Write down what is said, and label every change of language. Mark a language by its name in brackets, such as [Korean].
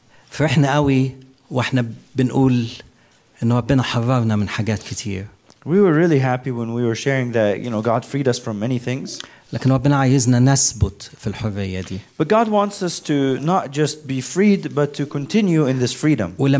[Arabic] فرحنا قوي واحنا بنقول ان ربنا حررنا من حاجات كتير. [English] We were really happy when we were sharing that, you know, God freed us from many things. [Arabic] لكن ربنا عايزنا نثبت في الحرية دي. [English] But God wants us to not just be freed but to continue in this freedom.